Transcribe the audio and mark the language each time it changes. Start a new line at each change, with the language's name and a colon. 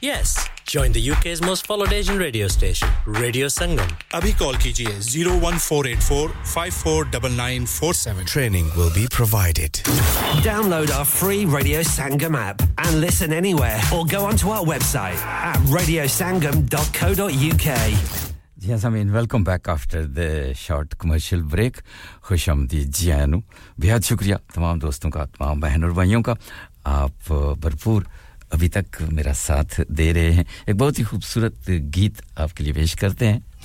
English: Yes, join the UK's most followed Asian radio station radio Sangam. अभी call कीजिए 01484-549947. Training will be provided. Download our free radio Sangam app and listen anywhere or go on to our website at radiosangam.co.uk.
Urdu: جی ہاں سامعین,
English: Welcome back after the short commercial break.
Urdu: خوش آمدید
Punjabi: جی آیا نو.
Urdu: بہت شکریہ تمام دوستوں کا, تمام بہن اور بھائیوں کا, آپ بھرپور ابھی تک میرا ساتھ دے رہے ہیں. ایک بہت ہی خوبصورت گیت آپ کے لیے پیش کرتے ہیں.